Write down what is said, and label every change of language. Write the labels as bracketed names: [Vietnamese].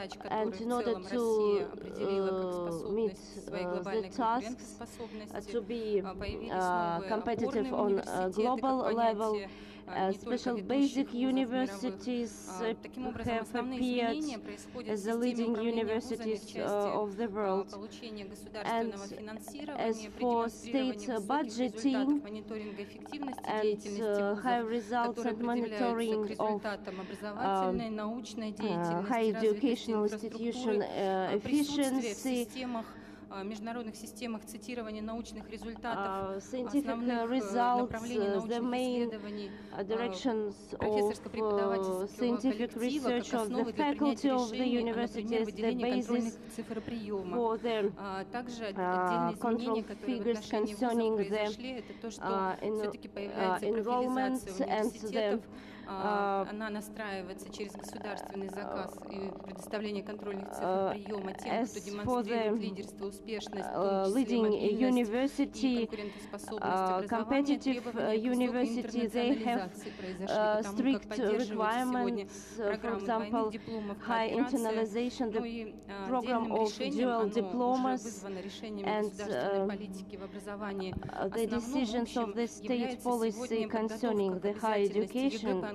[English] And in order to meet the tasks to be competitive on a global level, special basic universities have appeared as the leading universities of the world. And as for state budgeting and high results and monitoring of high educational institution efficiency, [Russian] международных системах цитирования научных результатов, [English] scientific results, the main directions of scientific research of the faculty of the university as the basis for the control figures concerning the enrollment and the [Russian] она настраивается через государственный заказ и предоставление контрольных цифр приема тем, кто демонстрирует лидерство, успешность, в том числе [English] leading university, [Russian] и конкурентоспособность [English] competitive university, they have strict requirements, for example, high internalization, the program of dual diplomas, and the decisions of the state policy concerning the higher education.